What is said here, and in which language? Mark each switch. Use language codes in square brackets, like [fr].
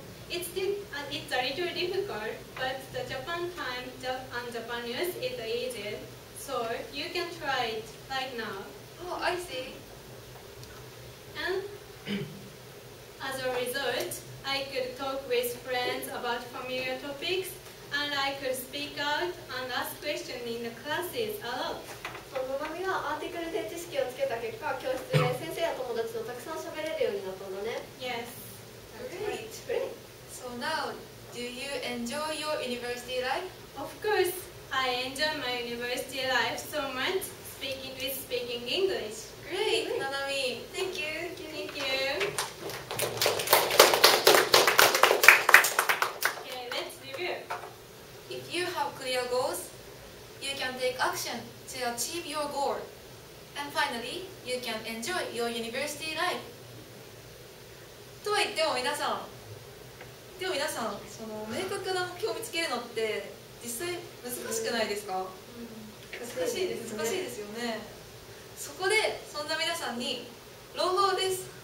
[en] It's a little difficult, but the Japan Times and Japan News is easy, so you can try it, like now. Oh, I see. And as a result, I could talk with friends about familiar topics,And I could speak out and ask questions in the classes a lot. [ja] So, Nanami はアーティクルで知識をつけた結果、教室で先生や友達とたくさん喋れるようになったんだね。 [en] Yes. That's great. So now, do you enjoy like? Of course, I enjoy my university life so much, speaking English. Great, Nanami. Thank you. Thank you. Okay, let's review. If you have clear goals, you can take action to achieve your goal. And finally, you can enjoy your university life. [ja] とは言っても皆さん、でも皆さん、その明確な目標を見つけるのって実際難しくないですか？難しいですね。難しいですよね。そこで、そんな皆さんに朗報です。